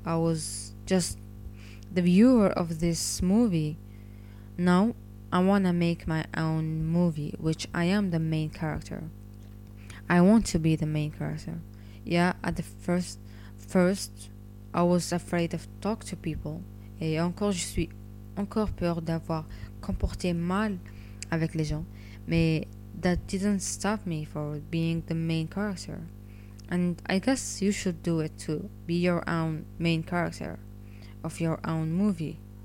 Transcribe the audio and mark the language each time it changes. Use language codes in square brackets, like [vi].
[en] I was just the viewer of this movie. Now I want to make my own movie, which I am the main character. I want to be the main character. Yeah, at the first I was afraid of talk to people. [fr] Et encore, je suis encore peur d'avoir comporté mal avec les gens. Mais [en] that didn't stop me from being the main character. And I guess you should do it too. Be your own main character of your own movie.